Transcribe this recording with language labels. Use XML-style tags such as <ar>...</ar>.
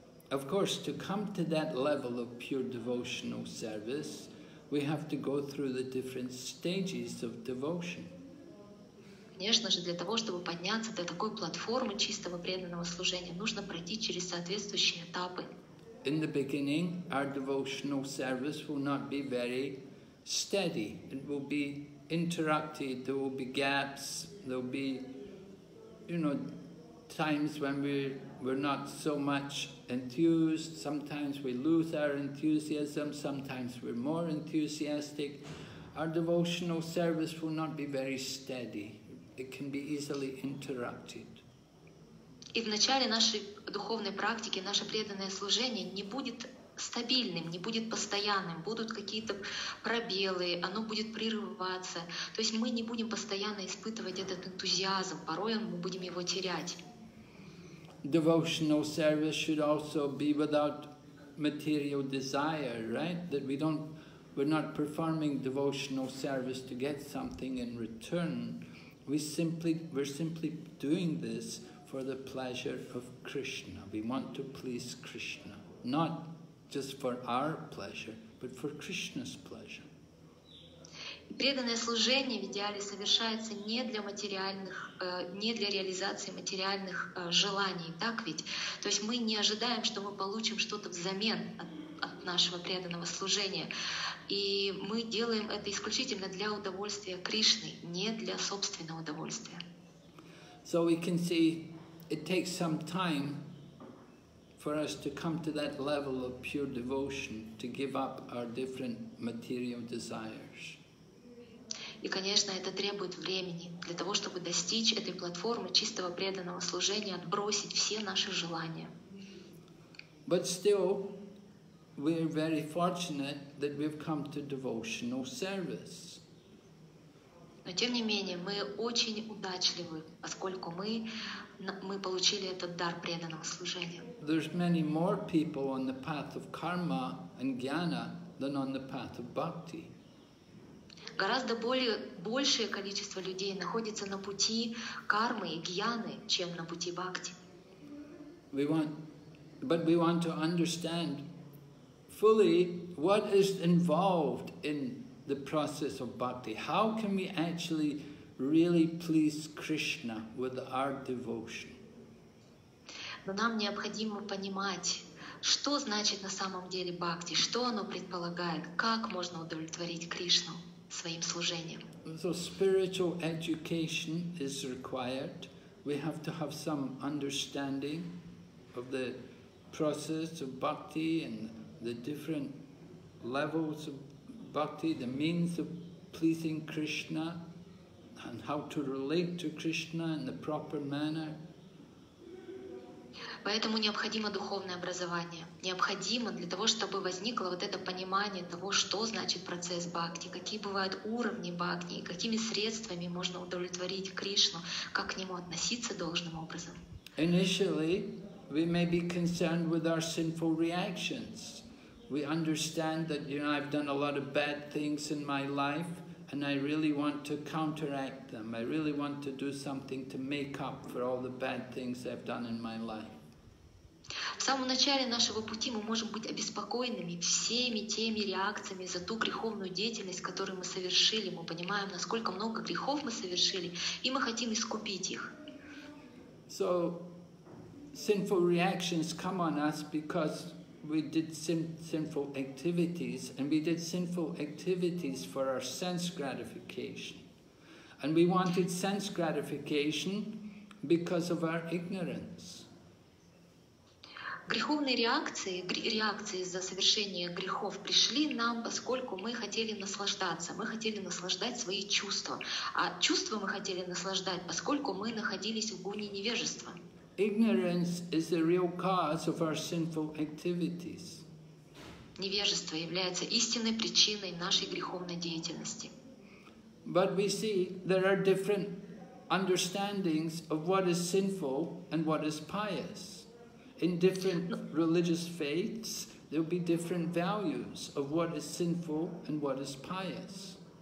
<en>Of course, to come to that level of pure devotional service, we have to go through the different stages of devotion.</en> <ru>Конечно же, для того, чтобы подняться до такой платформы чистого преданного служения, нужно пройти через соответствующие этапы.</ru> <en>In the beginning, our devotional service will not be very steady. It will be interrupted, there will be gaps, there will be, you know, times when we're not so much enthused, sometimes we lose our enthusiasm, sometimes we're more enthusiastic. Our devotional service will not be very steady. It can be easily interrupted.</en> <ru>И в начале нашей духовной практики наше преданное служение не будет стабильным, не будет постоянным, будут какие-то пробелы, оно будет прерываться. То есть мы не будем постоянно испытывать этот энтузиазм, порой мы будем его терять.</ru> <en>Devotional service should also be without material desire, right? That we don't, we're not performing devotional service to get something in return. We're simply doing this for the pleasure of Krishna. We want to please Krishna, not just for our pleasure, but for Krishna's pleasure.</en> <ru>Преданное служение в идеале совершается не для материальных, не для реализации материальных желаний, так ведь? То есть мы не ожидаем, что мы получим что-то взамен от нашего преданного служения. И мы делаем это исключительно для удовольствия Кришны, не для собственного удовольствия.</ru> <en>So we can see it takes some time for us to come to that level of pure devotion, to give up our different material desires.</en> <ru>И, конечно, это требует времени для того, чтобы достичь этой платформы чистого преданного служения, отбросить все наши желания.</ru> <en>But still, we are very fortunate that we've come to devotional service.</en> <ru>Но тем не менее, мы очень удачливы, поскольку мы получили этот дар преданного служения.</ru> <en>There's many more people on the path of karma and jnana than on the path of bhakti.</en> <ru>Гораздо большее количество людей находится на пути кармы и гьяны, чем на пути бхакти.</ru> <en>But we want to understand fully what is involved in the process of bhakti. How can we actually really please Krishna with our devotion?</en> <ru>Но нам необходимо понимать, что значит на самом деле бхакти, что оно предполагает, как можно удовлетворить Кришну своим служением.</ru> <en>So spiritual education is required. We have to have some understanding of the process of bhakti and the different levels of bhakti, the means of pleasing Krishna and how to relate to Krishna in the proper manner.</en> <ru>Поэтому необходимо духовное образование. Необходимо для того, чтобы возникло вот это понимание того, что значит процесс бхакти, какие бывают уровни бхакти, какими средствами можно удовлетворить Кришну, как к нему относиться должным образом.</ru> <en>Initially, we may be concerned with our sinful reactions. We understand that, you know, I've done a lot of bad things in my life, and I really want to counteract them. I really want to do something to make up for all the bad things I've done in my life.</en> <ru>В самом начале нашего пути мы можем быть обеспокоенными всеми теми реакциями за ту греховную деятельность, которую мы совершили. Мы понимаем, насколько много грехов мы совершили, и мы хотим искупить их.</ru> <en>So, sinful reactions come on us because we did sinful activities, and we did sinful activities for our sense gratification. And we wanted sense gratification because of our ignorance.</en> <ru>Греховные реакции, реакции за совершение грехов пришли нам, поскольку мы хотели наслаждаться, мы хотели наслаждать свои чувства. А чувства мы хотели наслаждать, поскольку мы находились в гуне невежества.</ru> <en>Ignorance is the real cause of our sinful activities.</en> <ru>Невежество является истинной причиной нашей греховной деятельности.</ru> <en>But we see there are different understandings of what is sinful and what is pious. In different religious faiths, there will be different values of what is sinful and what is pious.</en>